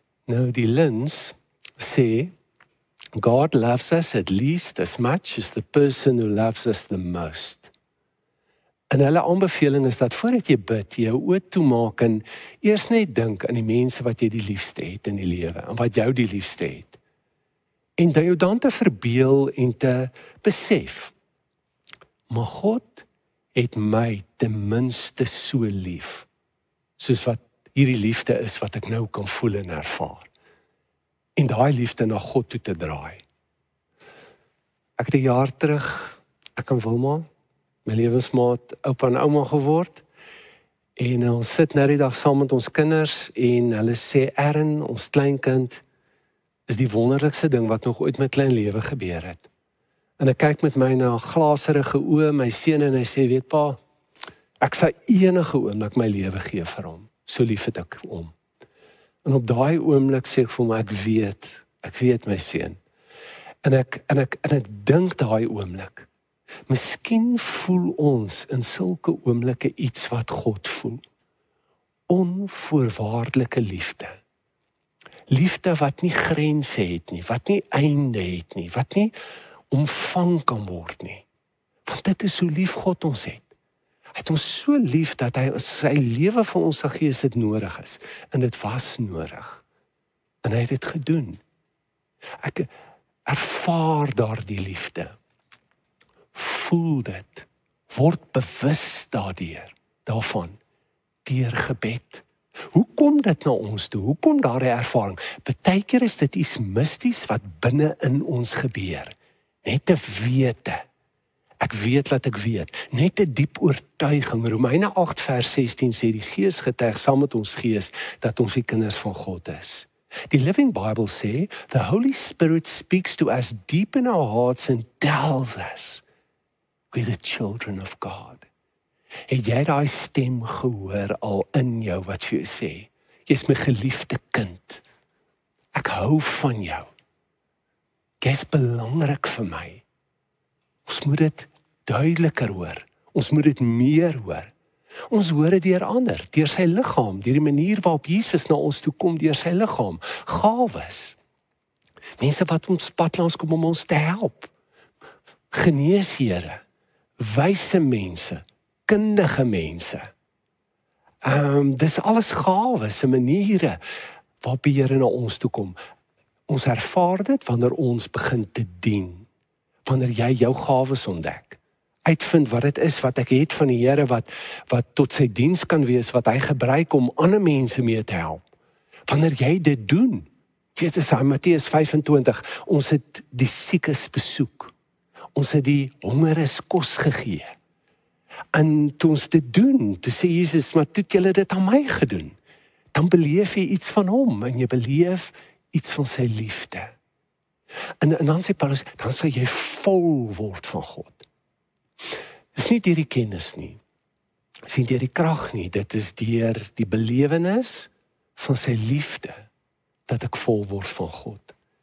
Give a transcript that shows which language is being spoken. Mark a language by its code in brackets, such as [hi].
[af] Nou die Lins sê, [en] God loves us at least as much as the person who loves us the most. [af] En hulle aanbeveling is dat voordat jy bid, jou oë toemaak en eers net dink aan die mense wat jy die liefste het in die lewe en wat jou die liefste het. En dat jou dan te verbeel en te besef, maar God het my ten minste so lief, soos wat hierdie liefde is wat ek nou kan voel en ervaar. En daai liefde na God toe te draai. Ek het 'n jaar terug, ek en Wilma, my lewensmaat, oupa en ouma geword, en ons sit nou die dag saam met ons kinders, en hulle sê, Erin, ons kleinkind, is die wonderlikste ding wat nog ooit met klein lewe gebeur het. En ek kyk met my na glaserige oë, my seun, en hy sê, weet pa, ek sal enige oomblik my lewe gee vir hom. So lief het ek om. En op daai oomblik sê ek vir my, ek weet my seun. En ek dink daai oomblik. Miskien voel ons in sulke oomblikke iets wat God voel. Onvoorwaardelike liefde. Liefde wat nie grense het nie, wat nie einde het nie, wat nie omvang kan word nie. Want dit is hoe lief God ons het. Hy het ons so lief dat hy sy lewe vir ons gegee het, dit nodig is. En dit was nodig. En hy het dit gedoen. Ek ervaar daardie liefde. Voel dit. Word bewus daarvan. Deur gebed. Hoe kom dit na ons toe? Hoe kom daardie ervaring? Partykeer is dit iets misties wat binne in ons gebeur. Net te wete. Ek weet dat ek weet. Net 'n diep oortuiging. Romeine 8 vers 16 sê die Gees getuig saam met ons gees dat ons die kinders van God is. Die Living Bible sê [en] the Holy Spirit speaks to us deep in our hearts and tells us we're the children of God. [af] Het jy daai stem gehoor al in jou wat vir jou sê, jy's my geliefde kind. Ek hou van jou. Jy is belangrik vir my. Ons moet dit duideliker hoor. Ons moet dit meer hoor. Ons hoor het deur ander, deur sy liggaam, deur die manier waarop Jesus na ons toe kom, deur sy liggaam, gawes. Mense wat ons pad langs kom om ons te help. Geneesheere, wyse mense, kundige mense. Dis alles gawes, se maniere waarop die Here na ons toe kom. Ons ervaar dit wanneer ons begin te dien. Wanneer jy jou gawes ontdek. Uitvind wat dit is wat ek het van die Here wat tot sy diens kan wees, wat hy gebruik om ander mense mee te help. Wanneer jy dit doen, dit is aan Matteus 25, ons het die siekes besoek. Ons het die hongeres kos gegee. En toe ons dit doen, toe sê Jesus, maar toe het julle dit aan my gedoen. Dan beleef jy iets van hom en jy beleef iets van sy liefde. En dan sê Paulus, dan sal jy vol word van God. Dit is nie deur die kennis nie. Dit is nie deur die krag nie. Dit is deur die belewenis van sy liefde dat ek vol word van God.